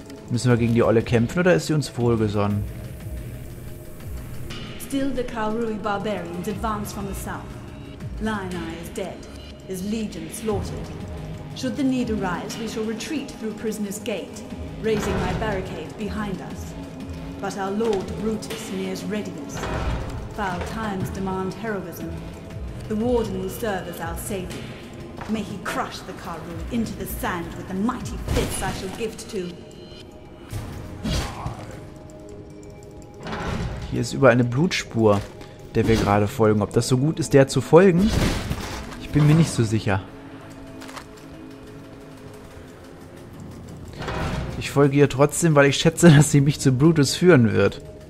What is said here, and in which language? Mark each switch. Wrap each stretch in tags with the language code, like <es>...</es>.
<de>Müssen wir gegen die Olle kämpfen oder ist sie uns wohlgesonnen?</de> <en>Still the Kalrui Barbarians advance from the south. Lion-Eye is dead, his legion slaughtered. Should the need arise, we shall retreat through Prisoner's Gate, raising my barricade behind us. But our Lord Brutus nears readiness. Foul times demand heroism. The Warden will serve as our savior. May he crush the Karu into the sand with the mighty fists I shall gift to.</en> <de>Hier ist überall eine Blutspur, der wir gerade folgen. Ob das so gut ist, der zu folgen? Ich bin mir nicht so sicher. Ich folge ihr trotzdem, weil ich schätze, dass sie mich zu Brutus führen wird.</de>